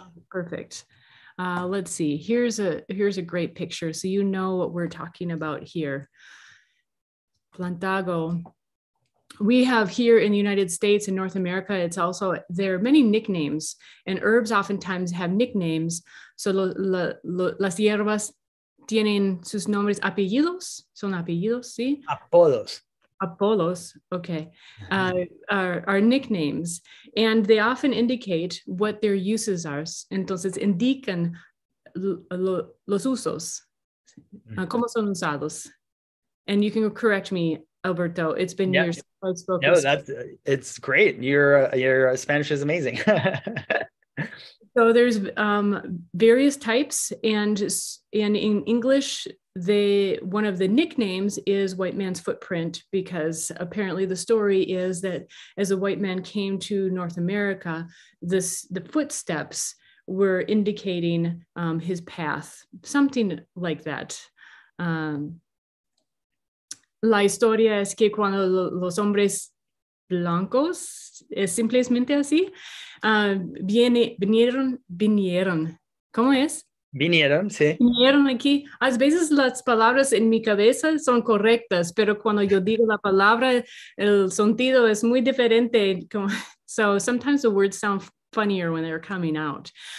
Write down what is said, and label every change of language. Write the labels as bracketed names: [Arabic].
[English] Perfect. Let's see. Here's a great picture, so you know what we're talking about here. Plantago. We have here in the United States and North America, it's also, there are many nicknames, and herbs oftentimes have nicknames. [Spanish] So las hierbas tienen sus nombres, apellidos, son apellidos, ¿sí? Apodos. [English] Apolos, okay, are nicknames, and they often indicate what their uses are. [Spanish] Entonces, indican los usos, cómo son usados. [English] And you can correct me, Alberto. It's been years since I've spoken. No, it's great. Your Spanish is amazing. So there's various types, and in English, one of the nicknames is white man's footprint, because apparently the story is that as a white man came to North America, the footsteps were indicating his path, something like that. [Spanish] La historia es que cuando los hombres blancos, es simplemente así, vinieron, ¿cómo es? Vinieron, sí. Vinieron aquí. A veces las palabras en mi cabeza son correctas, pero cuando yo digo la palabra, el sentido es muy diferente. [English] So sometimes the words sound funnier when they're coming out.